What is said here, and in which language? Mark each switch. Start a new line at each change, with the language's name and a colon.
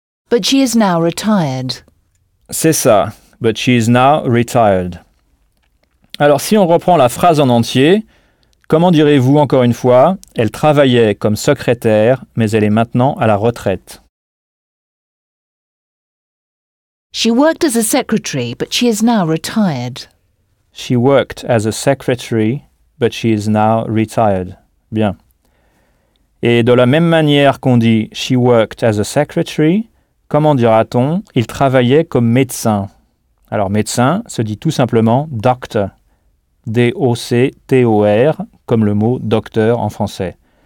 English: But she is now retired.
French: C'est ça,
English: but she is now retired.
French: Alors, si on reprend la phrase en entier, comment direz-vous encore une fois, elle travaillait comme secrétaire, mais elle est maintenant à la retraite?
English: She worked as a secretary, but she is now retired. She worked as a secretary, but she is now retired.
French: Bien. Et de la même manière qu'on dit
English: she worked as a secretary,
French: comment dira-t-on, il travaillait comme médecin? Alors, médecin se dit tout simplement doctor. D-O-C-T-O-R, comme le mot « docteur » en français.